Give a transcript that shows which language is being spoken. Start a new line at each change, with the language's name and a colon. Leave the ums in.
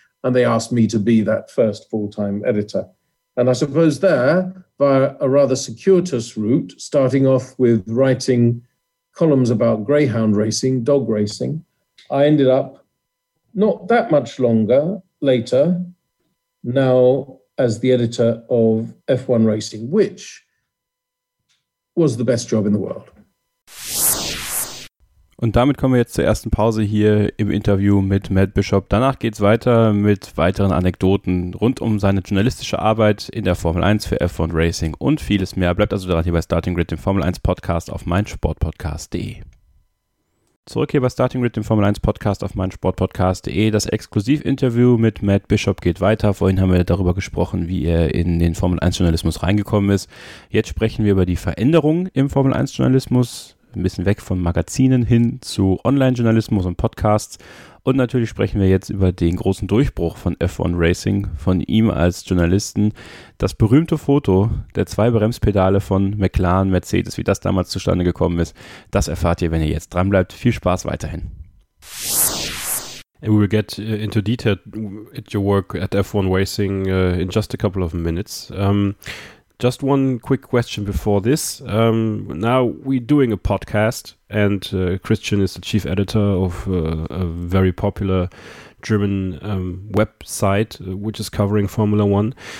English: And they asked me to be that first full time editor. And I suppose there, via a rather circuitous route, starting off with writing columns about greyhound racing, dog racing, I ended up not that much longer later, now as the editor of F1 Racing, which was the best job in the world.
German: Und damit kommen wir jetzt zur ersten Pause hier im Interview mit Matt Bishop. Danach geht's weiter mit weiteren Anekdoten rund um seine journalistische Arbeit in der Formel 1 für F1 Racing und vieles mehr. Bleibt also dran hier bei Starting Grid, dem Formel 1 Podcast auf meinsportpodcast.de. Zurück hier bei Starting Grid, dem Formel 1 Podcast auf meinsportpodcast.de. Das Exklusivinterview mit Matt Bishop geht weiter. Vorhin haben wir darüber gesprochen, wie er in den Formel 1 Journalismus reingekommen ist. Jetzt sprechen wir über die Veränderungen im Formel 1 Journalismus ein bisschen weg von Magazinen hin zu Online-Journalismus und Podcasts. Und natürlich sprechen wir jetzt über den großen Durchbruch von F1 Racing, von ihm als Journalisten. Das berühmte Foto der zwei Bremspedale von McLaren, Mercedes, wie das damals zustande gekommen ist, das erfahrt ihr, wenn ihr jetzt dran bleibt. Viel Spaß weiterhin.
English: And we will get into detail at your work at F1 Racing uh, in just a couple of minutes. Um, just one quick question before this. Um, now we're doing a podcast, and uh, Christian is the chief editor of uh, a very popular German um, website uh, which is covering Formula One.